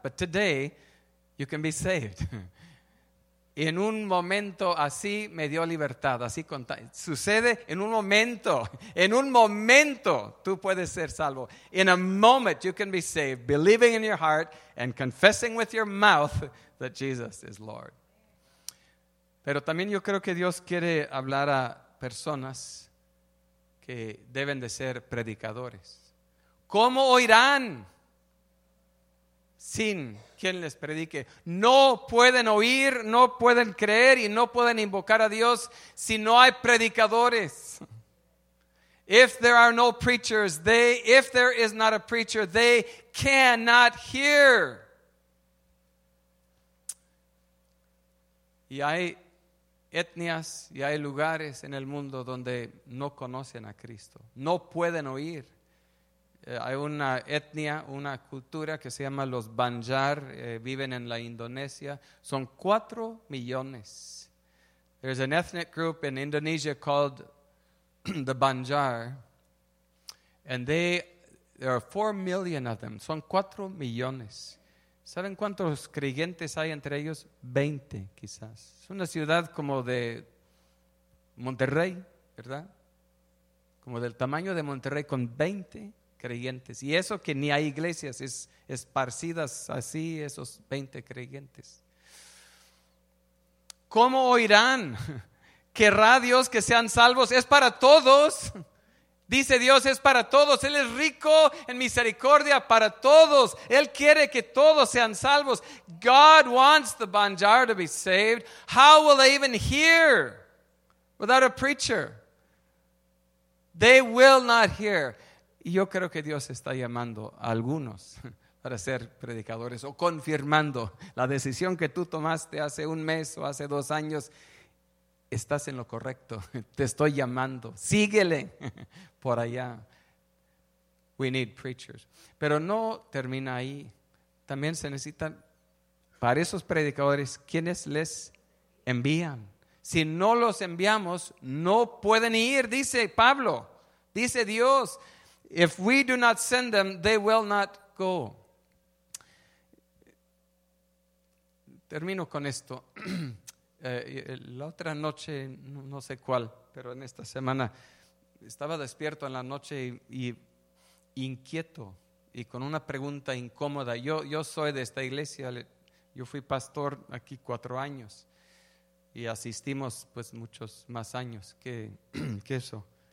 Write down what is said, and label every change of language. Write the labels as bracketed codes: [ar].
[en] But today you can be saved. [es] En un momento así me dio libertad. Así sucede en un momento. En un momento tú puedes ser salvo. [en] In a moment you can be saved, believing in your heart and confessing with your mouth that Jesus is Lord. [es] Pero también yo creo que Dios quiere hablar a personas que deben de ser predicadores. ¿Cómo oirán sin quien les predique? No pueden oír, no pueden creer y no pueden invocar a Dios si no hay predicadores. [en] If there are no preachers, if there is not a preacher, they cannot hear. [es] Y hay etnias y hay lugares en el mundo donde no conocen a Cristo, no pueden oír. Hay una etnia, una cultura que se llama los Banjar, viven en la Indonesia. Son 4 millones. [en] There's an ethnic group in Indonesia called the Banjar, and there are 4 million of them. [es] Son 4 millones. ¿Saben cuántos creyentes hay entre ellos? 20, quizás. Es una ciudad como de Monterrey, ¿verdad? Como del tamaño de Monterrey, con 20 creyentes. Y eso que ni hay iglesias, es esparcidas así esos 20 creyentes. ¿Cómo oirán? ¿Querrá Dios que sean salvos? Es para todos. Dice Dios, es para todos. Él es rico en misericordia para todos. Él quiere que todos sean salvos. [en] God wants the Banjar to be saved. How will they even hear without a preacher? They will not hear. [es] Y yo creo que Dios está llamando a algunos para ser predicadores o confirmando la decisión que tú tomaste hace un mes o hace 2 años. Estás en lo correcto. Te estoy llamando. Síguele por allá. [en] We need preachers. [es] Pero no termina ahí. También se necesitan para esos predicadores quienes les envían. Si no los enviamos, no pueden ir, dice Pablo. Dice Dios, [en] if we do not send them, they will not go. [es] Termino con esto. La otra noche, no sé cuál, pero en esta semana estaba despierto en la noche y inquieto y con una pregunta incómoda. Yo soy de esta iglesia, yo fui pastor aquí 4 años y asistimos pues muchos más años que eso.